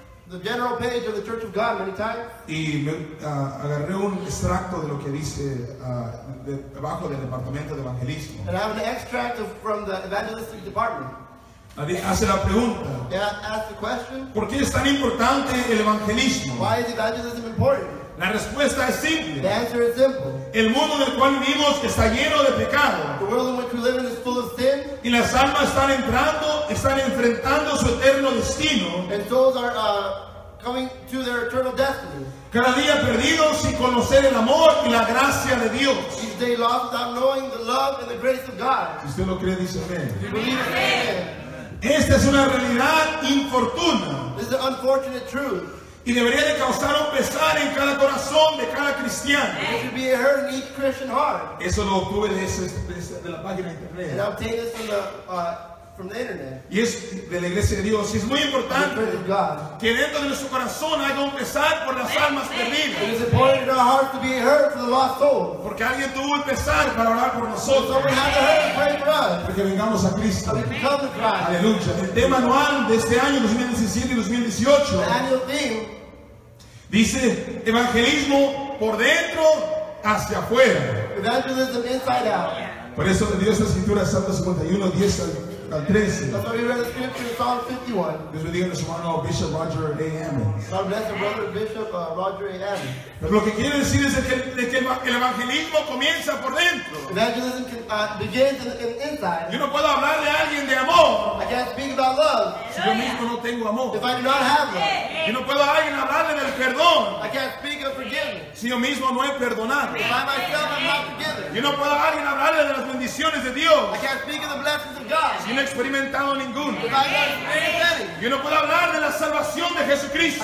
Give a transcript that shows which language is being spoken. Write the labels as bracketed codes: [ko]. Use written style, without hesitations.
[en] The general page of the Church of God many times. [es] Y me agarré un extracto de lo que dice debajo del departamento de evangelismo. [en] And I have an extract from the evangelistic department. [es] Hace la pregunta. [en] Yeah, ask the question. [es] ¿Por qué es tan importante el evangelismo? [en] Why is evangelism important? [es] La respuesta es simple. [en] The answer is simple. [es] El mundo del cual vivimos está lleno de pecado. [en] The world in which we live in is full of sin. [es] Y las almas están enfrentando su eterno destino. [en] And souls are coming to their eternal destiny. [es] Cada día perdidos sin conocer el amor y la gracia de Dios. [en] Each day lost without knowing the love and the grace of God. [es] Si usted lo cree, dice amén. [en] If you believe it, amen. [es] Esta es una realidad infortuna. [en] This is an unfortunate truth. [es] Y debería de causar un pesar en cada corazón de cada cristiano. [en] It should be a hurt in each Christian heart. [es] Eso lo obtuve de la página de internet. [en] And I obtained this from the internet. [es] Y es de la iglesia de Dios. Es muy importante que dentro de su corazón haya un pesar por las almas perdidas. [en] It is important in our heart to be hurt for the lost soul. [es] Porque alguien tuvo el pesar para orar por nosotros. [en] Somebody had to hurt to pray for us. [es] Porque vengamos a Cristo. [en] So we can come to Christ. [es] Aleluya. El tema anual de este año 2017 y 2018. [en] The annual theme. [es] Dice evangelismo por dentro hacia afuera. [en] Evangelism inside out. [es] Por eso le dio esta escritura, Salmo 51, 10 al 13. [en] That's why we read the scripture, Psalm 51. [es] Dios bendiga a nuestro hermano Bishop Roger A. Ammons. [en] God bless the brother Bishop Roger A. Ammons. [es] Pero lo que quiere decir es que el evangelismo comienza por dentro. [en] Evangelism begins in inside. [es] Yo no puedo hablar de alguien de amor. [en] I can't speak about love. [es] Si yo mismo no tengo amor. [en] If I do not have love. [es] Yo no puedo a alguien hablarle del perdón. [en] I can't speak of forgiveness. [es] Si yo mismo no he perdonado. [en] If I myself am not forgiven. [es] Yo no puedo a alguien hablarle de las bendiciones de Dios. [en] I can't speak of the blessings of God. [es] Yo no he experimentado ninguno. [en] If I have not experienced any. [es] Yo no puedo hablar de la salvación de Jesucristo.